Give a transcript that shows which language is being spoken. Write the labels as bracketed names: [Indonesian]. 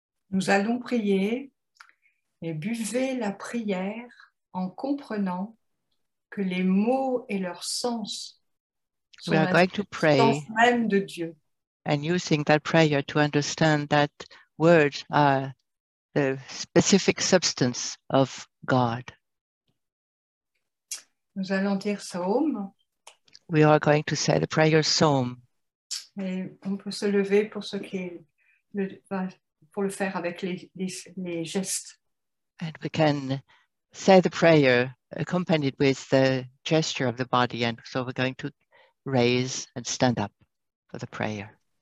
[French] Nous allons prier et buvez la prière en comprenant que les mots et leur sens [English] We are going to pray and using that prayer to understand that words are the specific substance of God. [French] Nous allons dire psaum. [English] We are going to say the prayer psaum. [French] Et on peut se lever pour ce qui est le, pour le faire avec les gestes. [English] And we can say the prayer accompanied with the gesture of the body, and so we're going to raise and stand up for the prayer.